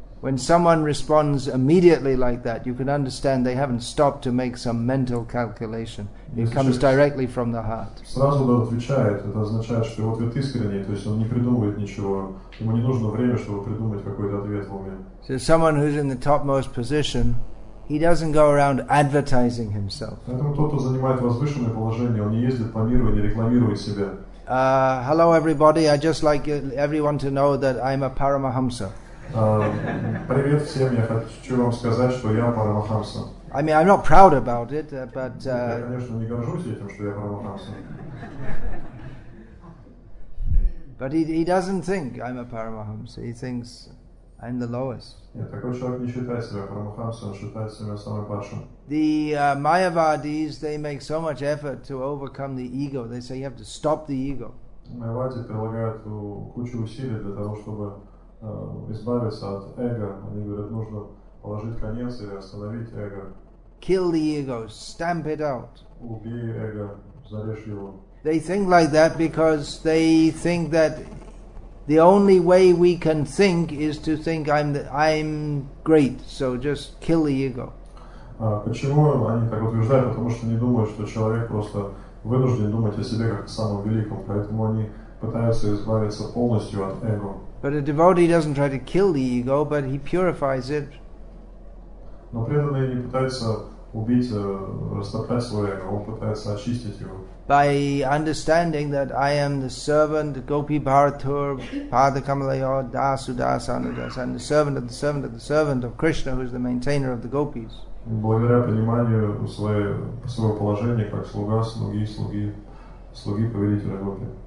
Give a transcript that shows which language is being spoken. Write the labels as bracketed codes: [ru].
[en] When someone responds immediately like that, you can understand they haven't stopped to make some mental calculation. It comes directly from the heart. [ru] Сразу он отвечает. Это означает, что его ответ искренний, то есть он не придумывает ничего. Ему не нужно время, чтобы придумать какой-то ответ в уме. [en] So someone who's in the topmost position, he doesn't go around advertising himself. [ru] Поэтому тот, кто занимает возвышенное положение, он не ездит по миру и не рекламирует себя. [en] Hello, everybody. I just like everyone to know that I'm a Paramahamsa. [ru] Привет всем, я хочу вам сказать, что я Парамахамса. [en] I mean, I'm not proud about it, but... [ru] Я, конечно, не горжусь этим, что я Парамахамса. [en] But he doesn't think I'm a Paramahamsa. He thinks I'm the lowest. [ru] Нет, такой человек не считает себя Парамахамса, он считает себя самым падшим. [en] The Mayavadis, they make so much effort to overcome the ego. They say you have to stop the ego. [ru] Майавади прилагают кучу усилий для того, чтобы... избавиться от эго. Они говорят, нужно положить конец или остановить эго. [en] Kill the ego, stamp it out. [ru] Убей эго, зарежь его. [en] They think like that because they think that the only way we can think is to think I'm great, so just kill the ego. [ru] Почему они так утверждают? Потому что они думают, что человек просто вынужден думать о себе как о самом великом, поэтому они пытаются избавиться полностью от эго. [en] But a devotee doesn't try to kill the ego, but he purifies it. [ru] Но преданный не пытается убить, растоптать свое эго, он пытается очистить его. [en] By understanding that I am the servant, [sa] Gopi Bharatur, Pada Kamalaya, Dasu Dasa Anudasa, [en] and the servant of the servant of the servant of Krishna, who is the maintainer of the gopis. [ru] Благодаря пониманию своего положения как слуга, слуги повелителя гопи.